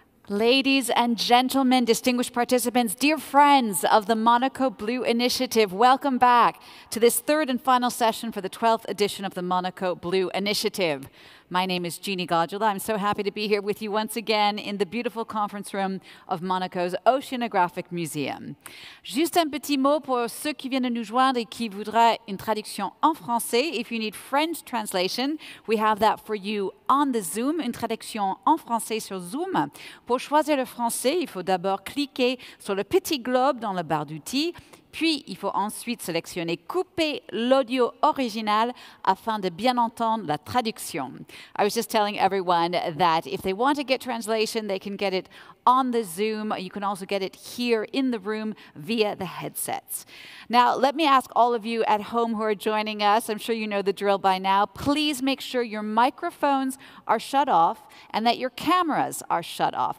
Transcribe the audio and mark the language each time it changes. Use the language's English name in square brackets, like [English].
[English] Ladies and gentlemen, distinguished participants, dear friends of the Monaco Blue Initiative, welcome back to this third and final session for the 12th edition of the Monaco Blue Initiative. My name is Jeannie Gaudula. I'm so happy to be here with you once again in the beautiful conference room of Monaco's Oceanographic Museum. [French] Juste un petit mot pour ceux qui viennent de nous joindre et qui voudraient une traduction en français. [English] If you need French translation, we have that for you on the Zoom, [French] une traduction en français sur Zoom. Pour choisir le français, il faut d'abord cliquer sur le petit globe dans la barre d'outils. Puis, il faut ensuite sélectionner couper l'audio original afin de bien entendre la traduction. [English] I was just telling everyone that if they want to get translation, they can get it on the Zoom. You can also get it here in the room via the headsets. Now, let me ask all of you at home who are joining us, I'm sure you know the drill by now, please make sure your microphones are shut off and that your cameras are shut off.